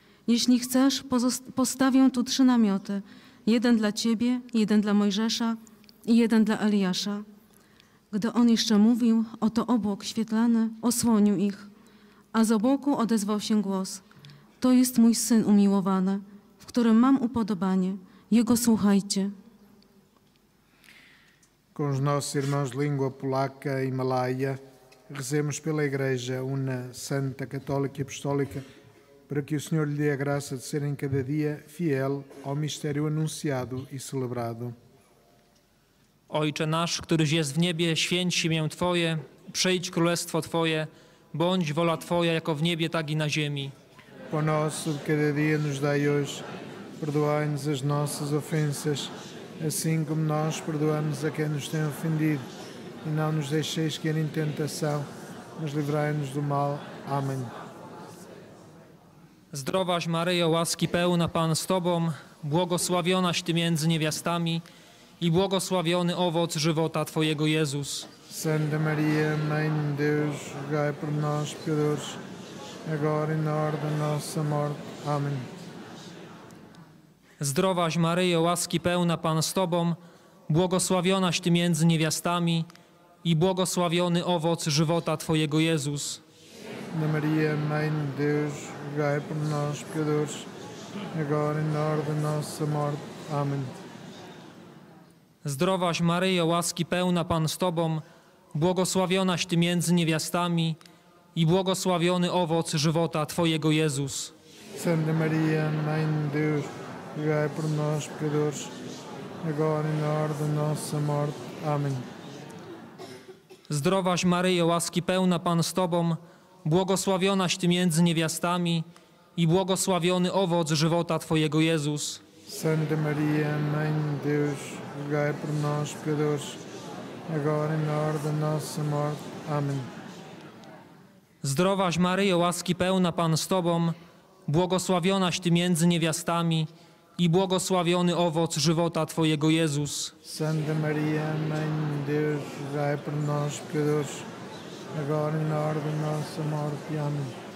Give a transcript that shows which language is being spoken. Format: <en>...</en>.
<pl>Jeśli chcesz, postawię tu trzy namioty. Jeden dla Ciebie, jeden dla Mojżesza i jeden dla Eliasza. Gdy On jeszcze mówił, oto obłok świetlany osłonił ich, a z obłoku odezwał się głos: To jest mój Syn umiłowany, w którym mam upodobanie. Jego słuchajcie.</pl> <pt>Com os nossos irmãos de língua polaca e malaia, rezemos pela Igreja, una, santa, católica e apostólica, para que o Senhor lhe dê a graça de ser em cada dia fiel ao mistério anunciado e celebrado.</pt> <pl>Ojcze nasz, któryś jest w niebie, święć imię Twoje, przyjdź królestwo Twoje, bądź wola Twoja, jako w niebie, tak i na ziemi.</pl> <pt>Pão nosso de cada dia nos dai hoje, perdoai-nos as nossas ofensas, assim como nós perdoamos a quem nos tem ofendido. E não nos deixeis cair em tentação, mas livrai-nos do mal. Amém.</pt> <pl>Zdrowaś Maryjo, łaski pełna Pan z Tobą, błogosławionaś Ty między niewiastami i błogosławiony owoc żywota Twojego, Jezus.</pl> <pt>Santa Maria, Mãe de Deus, rogai por nós, pecadores, agora e na hora da nossa morte. Amém.</pt> <pl>Zdrowaś Maryjo, łaski pełna Pan z Tobą, błogosławionaś Ty między niewiastami i błogosławiony owoc żywota Twojego, Jezus.</pl> <pt>Santa Maria, Mãe de Deus, rogai por nós, pecadores, agora e na hora da nossa morte. Amém.</pt> <pl>Zdrowaś Maryjo, łaski pełna Pan z Tobą, błogosławionaś Ty między niewiastami i błogosławiony owoc żywota Twojego, Jezus.</pl> <pt>Santa Maria, Mãe de Deus, rogai por nós, pecadores, agora e na hora da nossa morte. Amém.</pt> <pl>Zdrowaś Maryjo, łaski pełna Pan z Tobą, błogosławionaś Ty między niewiastami i błogosławiony owoc żywota Twojego, Jezus.</pl> <pt>Santa Maria, Mãe de Deus, rogai por nós, pecadores, agora e na hora da nossa morte. Amém.</pt> <pl>Zdrowaś Maryjo, łaski pełna Pan z Tobą, błogosławionaś Ty między niewiastami i błogosławiony owoc żywota Twojego, Jezus.</pl> <pt>Santa Maria, Mãe de Deus, rogai por nós, pecadores, agora e na hora da nossa morte. Amém.</pt>